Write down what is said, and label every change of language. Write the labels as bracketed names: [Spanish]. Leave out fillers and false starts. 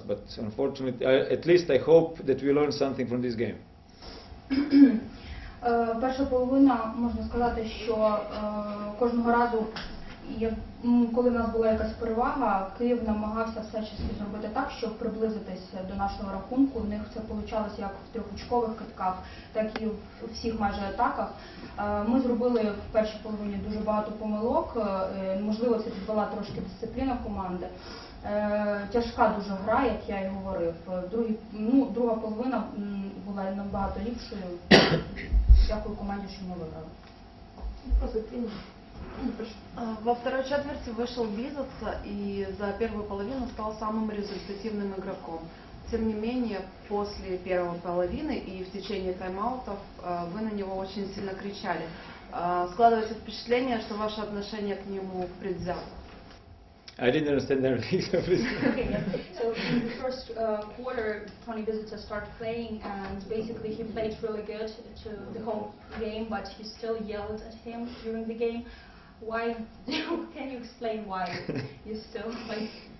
[English] But unfortunately, at least I hope that we learn something from this game. [Ukrainian] Перша половина, можна сказати, що кожного разу, коли у нас була якась перевага, Київ намагався всячески зробити так, щоб приблизитися до нашого рахунку. У них це вийшло як в трьохочкових китках, так і в всіх майже атаках. Ми зробили в першій половині дуже багато помилок, можливо, це була трошки дисципліна команди. Тяжка дуже гра, як я і говорив. Друга половина була набагато ліпшою. Дякую команді, що ми виграли. Позитивно. [Russian] Во второй четверти вышел Бизотса и за первую половину стал самым результативным игроком. Тем не менее, после первой половины и в течение тайм-аутов вы на него очень сильно кричали. Складывается впечатление, что ваше отношение к нему предвзято. [English] I didn't understand everything. So, so in the first quarter, Tony Bizitsa started playing, and basically he played really good to the whole game, but he still yelled at him during the game. Why? Can you explain why you still play?